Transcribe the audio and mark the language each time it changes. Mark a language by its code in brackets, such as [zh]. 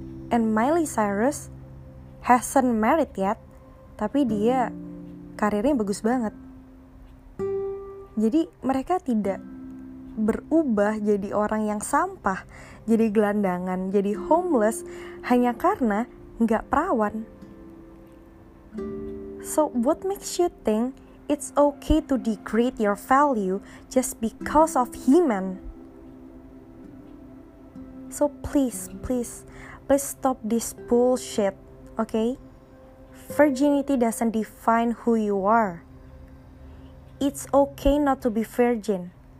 [en] And Miley Cyrus hasn't married yet, [id] tapi dia karirnya bagus banget. Jadi mereka tidak berubah jadi orang yang sampah, jadi gelandangan, jadi homeless hanya karena gak perawan. [en] So what makes you think it's okay to degrade your value just because of himen? So please, please, please stop this bullshit, okay? Virginity doesn't define who you are. It's okay not to be virgin.